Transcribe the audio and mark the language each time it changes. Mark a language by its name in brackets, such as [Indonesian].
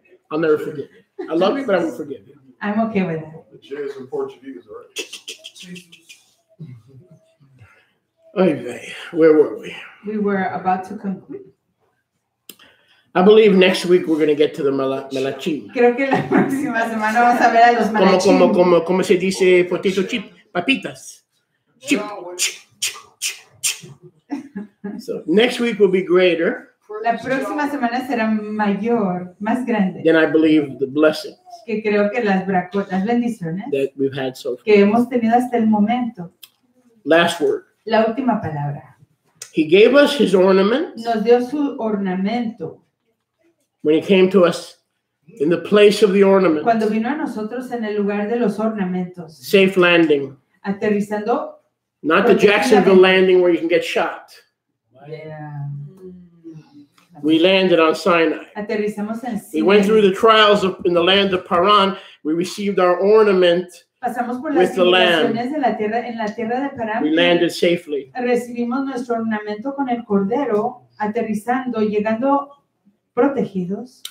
[English] I'll never forgive you. I love you, but I won't forgive you. I'm okay with that. The J is in Portuguese, right? Okay, where were we? We were about to conclude. I believe next week we're going to get to the Malachim. [Spanish] Creo que la próxima semana vamos a ver a los Malachim. Como se dice potato chip, papitas. Chip. [English] So next week will be greater. [Spanish] La próxima semana será mayor, más grande. [English] Then I believe the blessings. [Spanish] Que creo que las bendiciones. [English] That we've had so far. [Spanish] Que hemos tenido hasta el momento. [English] Last word. [Spanish] La última palabra. [English] He gave us his ornaments. [Spanish] Nos dio su ornamento. [English] When he came to us In the place of the ornaments. [Spanish] Cuando vino a nosotros en el lugar de los ornamentos. [English] Safe landing. [Spanish] Aterrizando. [English] Not the Jacksonville landing where you can get shot. Yeah. We landed on Sinai. [Spanish] Aterrizamos en Sinai. [English] We went through the trials of, in the land of Paran. We received our ornament. [Spanish] Pasamos por las tribulaciones de la tierra, en la tierra de Paran. [English] We landed safely. [Spanish] Recibimos nuestro ornamento con el cordero, aterrizando, llegando protegidos.